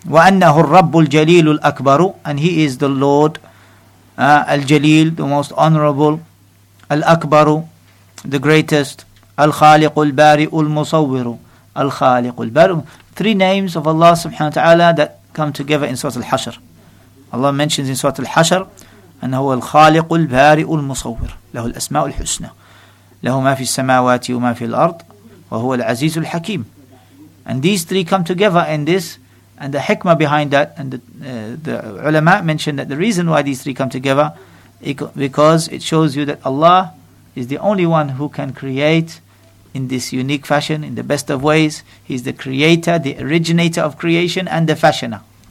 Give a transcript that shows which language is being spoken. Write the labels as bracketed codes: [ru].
[ar] وَأَنَّهُ الرَّبُّ الْجَلِيلُ الْأَكْبَرُ, [en] and he is the Lord, al-Jalil, the most honorable, al-Akbaru, the greatest, al-Khaliqu al-Bari'u al-Musawwiru, al-Khaliqu al-Bari'u. Three names of Allah subhanahu wa taala that come together in Surah Al-Hashr. Allah mentions in Surah Al-Hashr, [ar] أنه هو الخالق البارئ المصور له الأسماء الحسنى له ما في السماوات وما في الأرض وهو العزيز الحكيم. [en] And these three come together in this, and the hikmah behind that, and the ulama mentioned that the reason why these three come together, because it shows you that Allah is the only one who can create in this unique fashion, in the best of ways. He's the creator, the originator of creation, and the fashioner.